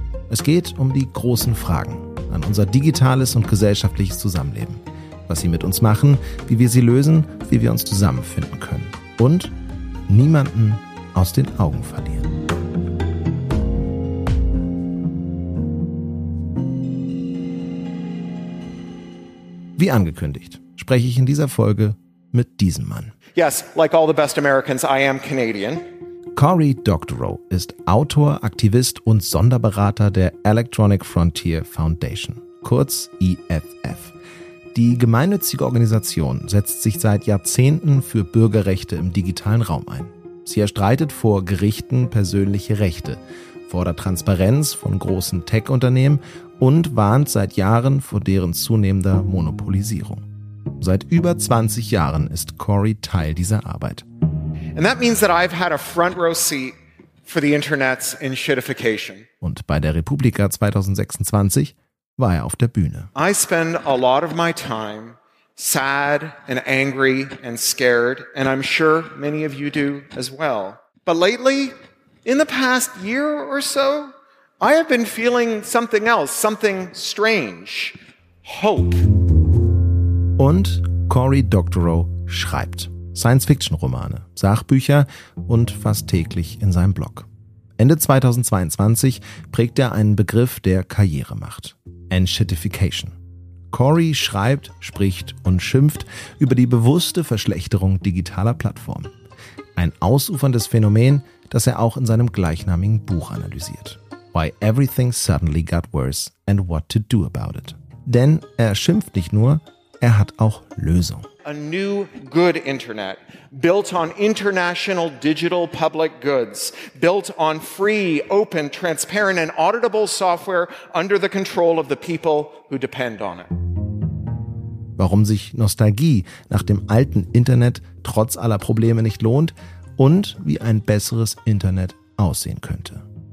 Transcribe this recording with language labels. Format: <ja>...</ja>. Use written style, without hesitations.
<de>Es geht um die großen Fragen an unser digitales und gesellschaftliches Zusammenleben, was sie mit uns machen, wie wir sie lösen, wie wir uns zusammenfinden können und niemanden aus den Augen verlieren. Wie angekündigt, spreche ich in dieser Folge mit diesem Mann.</de> <en>Yes, like all the best Americans, I am Canadian.</en> <de>Cory Doctorow ist Autor, Aktivist und Sonderberater der Electronic Frontier Foundation, kurz EFF. Die gemeinnützige Organisation setzt sich seit Jahrzehnten für Bürgerrechte im digitalen Raum ein. Sie erstreitet vor Gerichten persönliche Rechte, fordert Transparenz von großen Tech-Unternehmen und warnt seit Jahren vor deren zunehmender Monopolisierung. Seit über 20 Jahren ist Cory Teil dieser Arbeit.</de> <en>And that means that I've had a front row seat for the Internet's enshittification.</en> <de>Und bei der Republika 2026 war er auf der Bühne.</de> <en>I spend a lot of my time sad and angry and scared, and I'm sure many of you do as well. But lately, in the past year or so, I have been feeling something else, something strange. Hope.</en> <de>Und Cory Doctorow schreibt Science-Fiction-Romane, Sachbücher und fast täglich in seinem Blog. Ende 2022 prägt er einen Begriff, der Karriere macht. Enshittification. Cory schreibt, spricht und schimpft über die bewusste Verschlechterung digitaler Plattformen. Ein ausuferndes Phänomen, das er auch in seinem gleichnamigen Buch analysiert.</de> <en>Why Everything Suddenly Got Worse and What to Do About It.</en> <de>Denn er schimpft nicht nur, er hat auch Lösungen.</de> <en>A new good internet, built on international digital public goods, built on free, open, transparent and auditable software under the control of the people who depend on it.</en> <de>Warum sich Nostalgie nach dem alten Internet trotz aller Probleme nicht lohnt und wie ein besseres Internet aussehen könnte.</de>